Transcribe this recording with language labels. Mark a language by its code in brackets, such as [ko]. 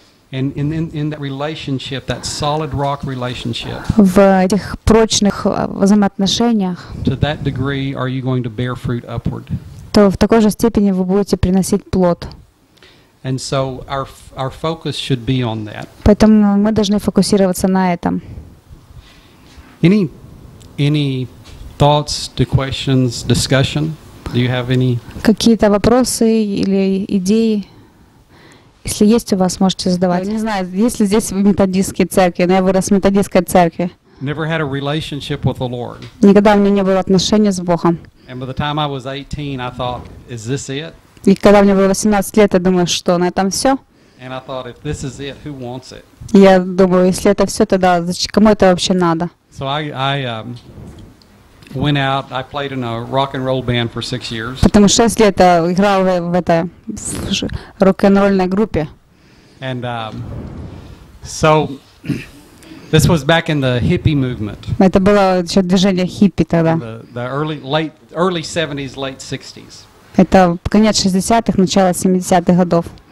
[en] And in that relationship, that solid rock relationship. [ru] В этих прочных взаимоотношениях. [en] To that degree, are you going to bear fruit upward? [ru] То в такой же степени вы будете приносить плод. [en] And so our focus should be on that. [ru] Поэтому мы должны фокусироваться на этом. [en] Any thoughts, to questions, discussion? Do you have any? [ru] Какие-то вопросы или идеи? Если есть у вас, можете задавать. Я не знаю, есть ли здесь методистские церкви, но я вырос в методистской церкви. [en] Never had a relationship with the Lord. [ru] Никогда у меня не было отношения с Богом. [en] And by the time I was 18, I thought, is this it? [ru] И когда мне было 18 лет, я думаю, что на этом все? [en] And I thought, if this is it, who wants it? [ru] Я думаю, если это все, тогда значит, кому это вообще надо? [en] So I went out. I played in a rock and roll band for 6 years. [ru] Потому что 6 лет я играл в этой рок-н-ролльной группе. [en] And so this was back in the hippie movement. [ru] Это было еще движение хиппи тогда. [en] The early 70s, late 60s. [ru] Это конец 60-х, начало 70-х годов.